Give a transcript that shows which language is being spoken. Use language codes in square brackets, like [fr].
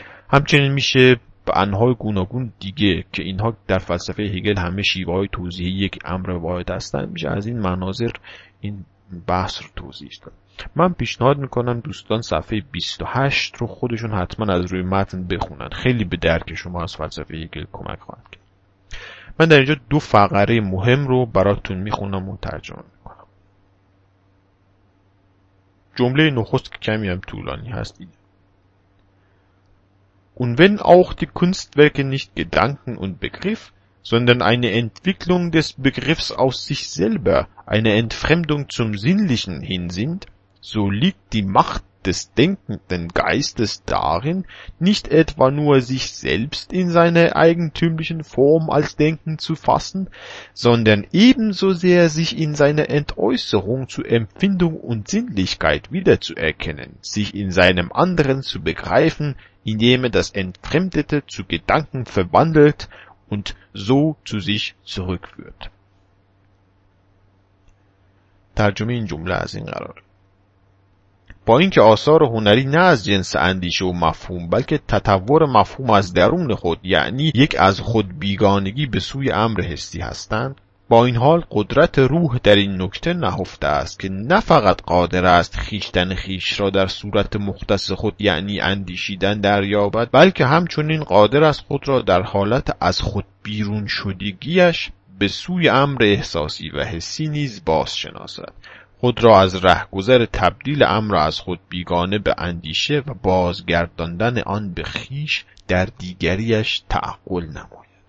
[fa] همچنین میشه به انواع گوناگون دیگه که اینها در فلسفه هگل همه شیوه‌های توضیح یک امر واحد هستند، میشه از این مناظر این بحث رو توضیح دادم. من پیشنهاد میکنم دوستان صفحه 28 رو خودشون حتما از روی متن بخونن. خیلی به درک شما از فلسفه هگل کمک خواهد کرد. من در اینجا دو فقره مهم رو براتون میخونم و ترجمه میکنم. جمله نخست که کمی هم طولانی هست اینه: [de] Und wenn auch die Kunstwerke nicht Gedanken und Begriff, sondern eine Entwicklung des Begriffs aus sich selber, eine Entfremdung zum Sinnlichen hin sind, so liegt die Macht des denkenden Geistes darin, nicht etwa nur sich selbst in seiner eigentümlichen Form als Denken zu fassen, sondern ebenso sehr sich in seiner Entäußerung zu Empfindung und Sinnlichkeit wiederzuerkennen, sich in seinem Anderen zu begreifen, indem er das Entfremdete zu Gedanken verwandelt und so zu sich zurückführt. [fa] ترجمه این جمله از این قراره: با اینکه آثار هنری نه از جنس اندیشه و مفهوم، بلکه تطور مفهوم از درون خود، یعنی یک از خود بیگانگی به سوی امر حسی هستند، با این حال قدرت روح در این نکته نهفته است که نه فقط قادر است خیشتن خیش را در صورت مختص خود، یعنی اندیشیدن، دریابد، بلکه همچنین قادر است خود را در حالت از خود بیرون شدگیش به سوی امر احساسی و حسی نیز باز شناسد، خود را از رهگذر تبدیل امر از خود بیگانه به اندیشه و بازگرداندن آن به خیش در دیگریش تعقل نماید.